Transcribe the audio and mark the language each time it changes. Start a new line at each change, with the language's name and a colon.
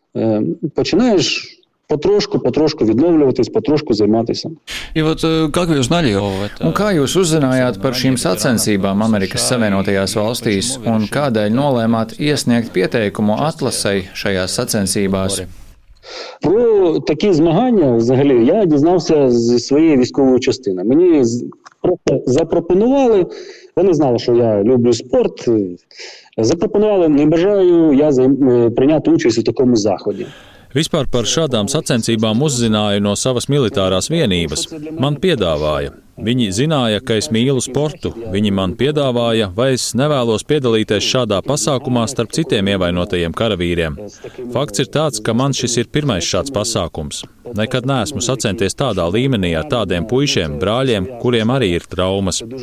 Ukrainian: Počinājuši patrošku vidnovļoties, patrošku zemāties.
Latvian: Un kā jūs uzzinājāt par šīm sacensībām Amerikas Savienotajās valstīs un kādēļ nolēmāt iesniegt pieteikumu atlasai šajās sacensībās?
Ukrainian: Про такі змагання взагалі я дізнався зі своєї військової частини. Мені запропонували, вони знали, що я люблю спорт, запропонували, не бажаю я прийняти участь у такому заході.
Latvian: Vispār par šādām sacensībām uzzināju no savas militārās vienības. Man piedāvāja. Viņi zināja, ka es mīlu sportu. Viņi man piedāvāja, vai es nevēlos piedalīties šādā pasākumā starp citiem ievainotajiem karavīriem. Fakts ir tāds, ka man šis ir pirmais šāds pasākums. Nekad neesmu sacenties tādā līmenī ar tādiem puišiem, brāļiem, kuriem arī ir traumas.